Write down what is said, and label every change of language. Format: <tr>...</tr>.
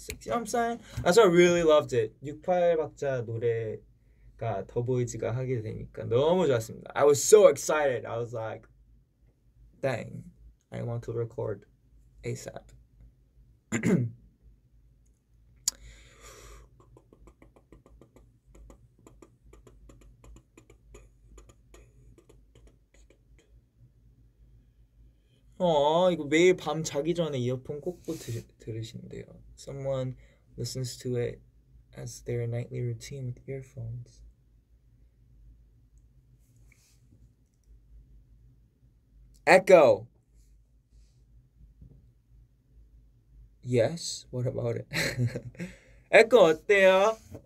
<en>I'm saying that's why I really loved it.</en> <ko>6/8 박자 노래가 더 보이즈가 하게 되니까 너무 좋았습니다.</ko> <en>I was so excited. I was like, dang, I want to record ASAP. Mm-hmm.</en> <ko>이거 매일 밤 자기 전에 이어폰 꽂고 들으신대요.</ko> <en>Someone listens to it as their nightly routine with earphones.</en> <ko>에코.</ko> <en>Yes, what about it?</en> <ko>에코 어때요?</ko>